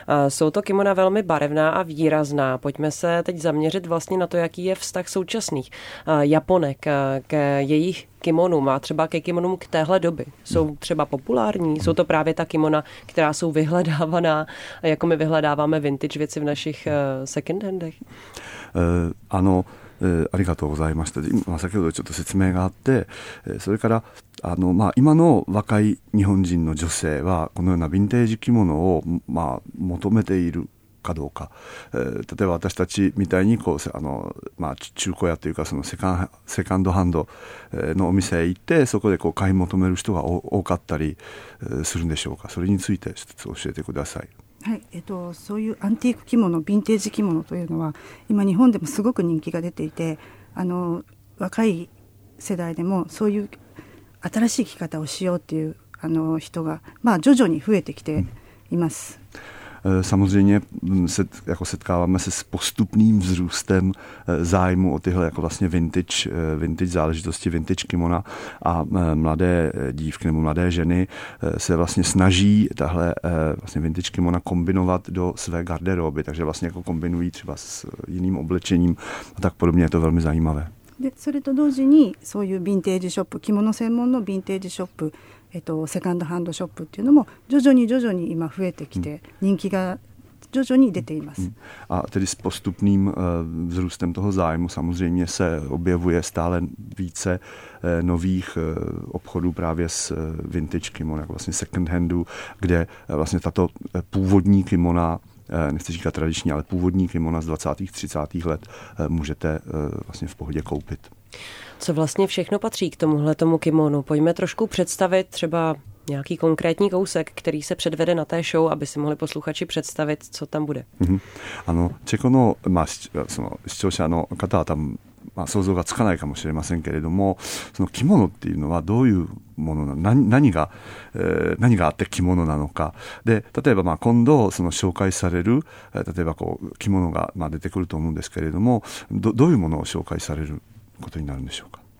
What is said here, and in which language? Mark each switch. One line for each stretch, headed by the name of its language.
Czech: Jsou to kimona velmi barevná a výrazná. Pojďme se teď zaměřit vlastně na to, jaký je vztah současných Japonek k jejich kimonům a třeba ke kimonům k téhle doby. Jsou třeba populární? Jsou to právě ta kimona, která jsou vyhledávaná, jako my vyhledáváme vintage věci v našich second handech? Ano,
Japanese: ありがとうございました。今先ほどちょっと説明があって、それから今の若い日本人の女性はこのようなヴィンテージ着物を求めているかどうか、例えば私たちみたいにこう中古屋というかそのセカンドハンドのお店へ行ってそこでこう買い求める人が多かったりするんでしょうか。それについて一つ教えてください。はい、そういうアンティーク着物、ヴィンテージ着物というのは今日本でもすごく人気が出ていて、若い世代でもそういう新しい着方をしようっていう人が徐々に増えてきています。
Czech: Samozřejmě setkáváme se s postupným vzrůstem zájmu o tyhle jako vlastně vintage záležitosti, vintage kimona, a mladé dívky nebo mladé ženy se vlastně snaží tahle vlastně vintage kimona kombinovat do své garderoby, takže vlastně jako kombinují třeba s jiným oblečením a tak podobně. Je to velmi zajímavé.
Japanese: De, それと同時にそういうヴィンテージショップ、着物専門のヴィンテージショップ、セカンドハンドショップっていうのも徐々に今増えてきて、人気が徐々に出ています。
Czech: A tedy s postupným vzrůstem toho zájmu samozřejmě se objevuje stále více nových obchodů právě s vintage kimono, jako vlastně second handu, kde vlastně tato původní kimona, nechci říkat tradiční, ale původní kimona z 20. 30. let můžete vlastně v pohodě koupit. Co vlastně všechno patří k tomuhle tomu kimonu? Pojďme trošku představit třeba nějaký konkrétní kousek, který se předvede na té show, aby si mohli posluchači představit, co tam bude. Ano,
Japanese: čekono, その視聴者の方は tam 想像がつかないかもしれませんけれども、その着物っていうのはどういうものなの、 何があって着物なのか。で、例えば今度その紹介される、例えばこう着物が出てくると思うんですけれども、 どういうものを紹介されることになるんでしょうか。